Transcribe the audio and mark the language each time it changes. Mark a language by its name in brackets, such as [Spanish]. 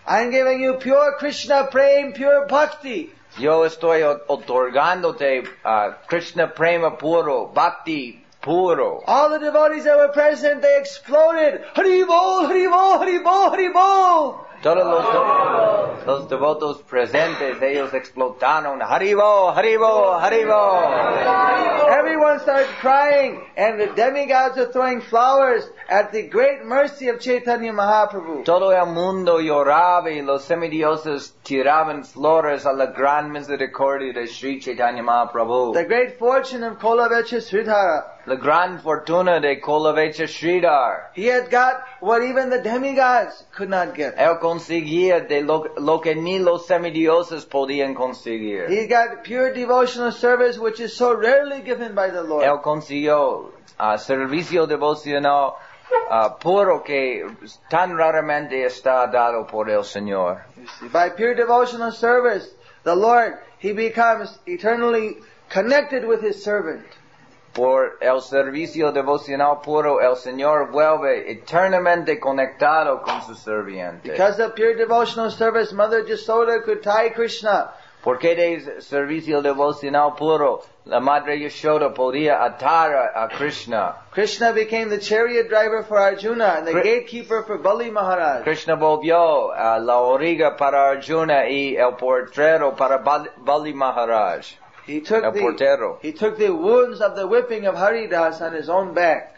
[English] I'm giving you pure Krishna praying, pure bhakti. [Spanish] Yo estoy otorgándote Krishna prema puro, bhakti puro. [English] All the devotees that were present, they exploded. Haribo, haribo, haribo, haribo. [Spanish] Todos los devotos presentes, ellos explotaron. Haribo, haribo, haribo. [English] Everyone started crying, and the demigods are throwing flowers at the great mercy of Chaitanya Mahaprabhu. [Spanish] Todo el mundo lloraba y los semidioses tiraban flores a la gran misericordia de Sri Chaitanya Mahaprabhu. [English] The great fortune of Kolavecha Sridhara. [Spanish] La gran fortuna de Kolavecha Sridhar. [English] He had got what even the demigods could not get. [Spanish] Él conseguía de lo que ni los semidioses podían conseguir. [English] He got pure devotional service which is so rarely given by the Lord. [Spanish] Él consiguió servicio devocional puro que tan raramente está dado por el Señor. [English] See, by pure devotional service, the Lord, he becomes eternally connected with his servant. [Spanish] Por el servicio devocional puro, el Señor vuelve eternamente conectado con su serviente. [English] Because of pure devotional service, Mother Yasoda could tie Krishna. [Spanish] Porque de servicio devocional puro, la Madre Yashoda podía atar a Krishna. [English] Krishna became the chariot driver for Arjuna and the gatekeeper for Bali Maharaj. [Spanish] Krishna volvió la origa para Arjuna y el portero para Bali Maharaj. [English] He took the wounds of the whipping of Haridas on his own back.